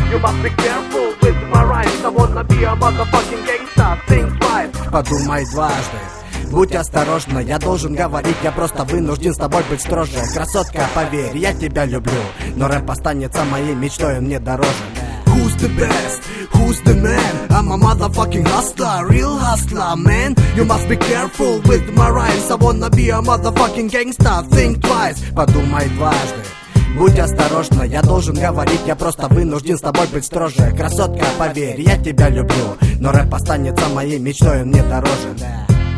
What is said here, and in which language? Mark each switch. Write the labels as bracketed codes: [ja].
[en] You must be careful with my rhymes. I wanna be a motherfucking gangster. Think twice. [ru] Подумай дважды. Будь осторожна, я должен говорить, я просто вынужден с тобой быть строже. Красотка, поверь, я тебя люблю, но рэп останется моей мечтой, он мне дороже. [en] Who's the best? Who's the man? I'm a motherfucking hustler, real hustler, man. You must be careful with my rhymes. I wanna be a motherfucking gangster. Think twice. [ru] Подумай дважды. Будь осторожна, я должен говорить, я просто вынужден с тобой быть строже. Красотка, поверь, я тебя люблю, но рэп останется моей мечтой, он мне дороже.